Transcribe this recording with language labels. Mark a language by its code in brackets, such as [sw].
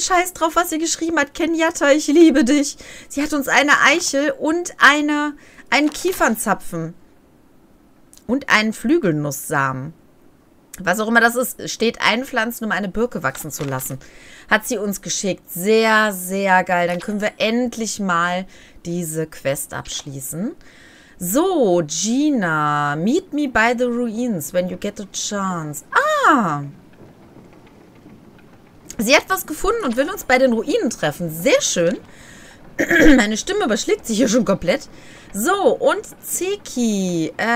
[de] Scheiß drauf, was sie geschrieben hat. Kenyatta, ich liebe dich. Sie hat uns eine Eichel und einen Kiefernzapfen und einen Flügelnusssamen. Was auch immer das ist, steht einpflanzen, um eine Birke wachsen zu lassen. Hat sie uns geschickt. Sehr, sehr geil. Dann können wir endlich mal diese Quest abschließen. [en] So, Gina, meet me by the ruins when you get a chance. Ah! [de] Sie hat was gefunden und will uns bei den Ruinen treffen. Sehr schön. Meine Stimme überschlägt sich hier schon komplett. So, und Zeki.